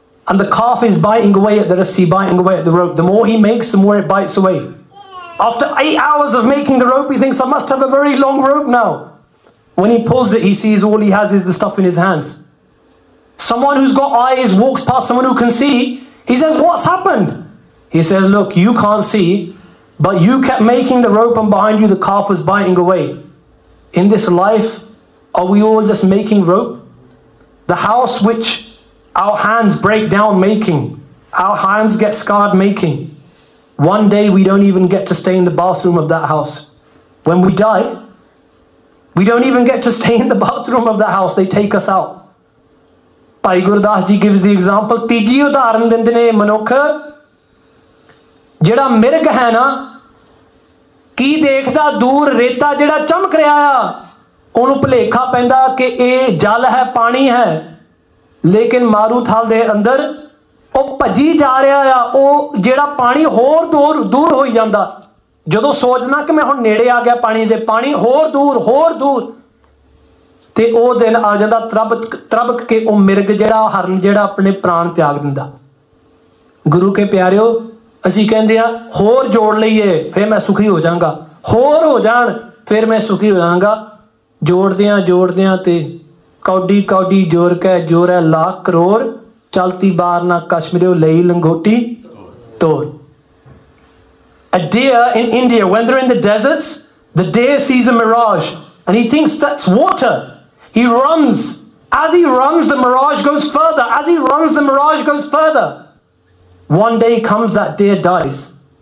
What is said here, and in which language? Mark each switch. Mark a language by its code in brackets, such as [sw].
[en] And the calf is biting away at the ਰੱਸੀ, biting away at the rope, the more he makes the more it bites away, after 8 hours of making the rope he thinks I must have a very long rope now, when he pulls it he sees all he has is the stuff in his hands, someone who's got eyes walks past someone who can see, he says what's happened, he says look you can't see, but you kept making the rope and behind you the calf was biting away. In this life, are we all just making rope? The house which our hands break down making, our hands get scarred making, one day we don't even get to stay in the bathroom of that house. When we die, we don't even get to stay in the bathroom of that house. They take us out. Bhai Gurdas ji gives the example. [pa] Tiji udharan dinde ne manukh, jehda mirg hai na, ਕੀ ਦੇਖਦਾ, ਦੂਰ ਰੇਤਾ ਜਿਹੜਾ ਚਮਕ ਰਿਹਾ ਆ, ਉਹਨੂੰ ਭੁਲੇਖਾ ਪੈਂਦਾ ਕਿ ਇਹ ਜਲ ਹੈ, ਪਾਣੀ ਹੈ, ਲੇਕਿਨ ਮਾਰੂ ਥਲ ਦੇ ਅੰਦਰ ਉਹ ਭੱਜੀ ਜਾ ਰਿਹਾ ਆ, ਉਹ ਜਿਹੜਾ ਪਾਣੀ ਹੋਰ ਦੂਰ ਦੂਰ ਹੋਈ ਜਾਂਦਾ। ਜਦੋਂ ਸੋਚਦਾ ਕਿ ਮੈਂ ਹੁਣ ਨੇੜੇ ਆ ਗਿਆ ਪਾਣੀ ਦੇ, ਪਾਣੀ ਹੋਰ ਦੂਰ ਹੋਰ ਦੂਰ, ਤੇ ਉਹ ਦਿਨ ਆ ਜਾਂਦਾ ਤ੍ਰਭਕ ਕੇ ਉਹ ਮਿਰਗ ਜਿਹੜਾ ਹਰਨ ਜਿਹੜਾ ਆਪਣੇ ਪ੍ਰਾਣ ਤਿਆਗ ਦਿੰਦਾ। ਗੁਰੂ ਕੇ ਪਿਆਰਿਓ, ਅਸੀਂ ਕਹਿੰਦੇ ਹਾਂ ਹੋਰ ਜੋੜ ਲਈਏ ਫਿਰ ਮੈਂ ਸੁਖੀ ਹੋ ਜਾਵਾਂਗਾ, ਹੋਰ ਹੋ ਜਾਣ ਫਿਰ ਮੈਂ ਸੁਖੀ ਹੋ ਜਾਵਾਂਗਾ। ਜੋੜਦਿਆਂ ਤੇ ਕੌਡੀ ਕੌਡੀ ਜੋਰ ਕੈ ਜੋਰ ਹੈ ਲੱਖ ਕਰੋੜ, ਚਲਤੀ ਬਾਰ ਨਾ ਕਸ਼ਮੀਰੋ ਲਈ ਲੰਗੋਟੀ ਤੋਰ। [en] A deer in India, when they're in the deserts, the deer sees a mirage and he thinks that's water. He runs. As he runs, the mirage goes further. As he runs, the mirage goes further. One day comes, that deer dies.